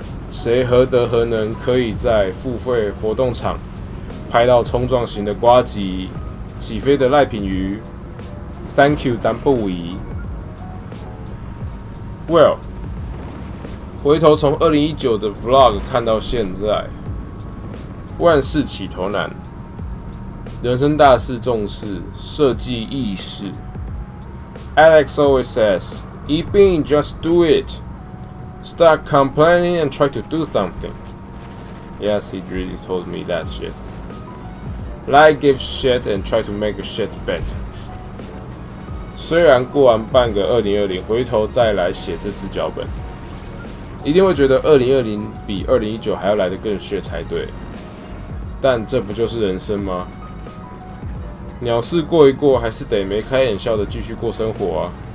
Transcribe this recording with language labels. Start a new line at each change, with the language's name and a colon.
Chinese: 谁何德何能可以在付费活动场拍到冲撞型的呱吉、起飞的赖品妤 ？
English: Thank you，
Chinese: 但不疑。 Well， 回头从2019的 Vlog 看到现在，万事起头难。人生大事重视设计意识。
English: Alex always says, "Eat being, just do it. Start complaining and try to do something." Yes, he really told me that shit. Like, give shit and try to make shit better.
Chinese: 虽然过完半个2020，回头再来写这支脚本，一定会觉得2020比2019还要来得更 shit 才对。但这不就是人生吗？鸟事过一过，还是得眉开眼笑的继续过生活啊。